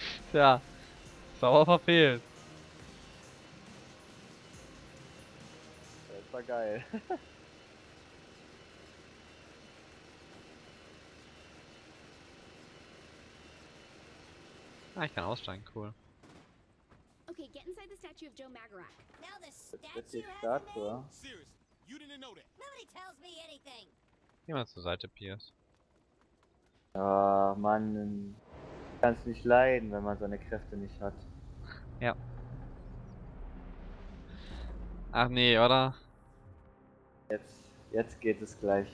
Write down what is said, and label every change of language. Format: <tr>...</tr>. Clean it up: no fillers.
<de>Tja. Sauer verfehlt. Das war geil. Ah, ich kann aussteigen, cool.</de> <en>Okay, get inside the statue of Joe Magarak. Now the statue has a name. You didn't know that. Nobody tells me anything.</en> <de>Geh mal zur Seite, Pierce. Oh, Mann. Ich kann es nicht leiden, wenn man seine Kräfte nicht hat. Ja. Ach nee, oder? Jetzt geht es gleich.</de>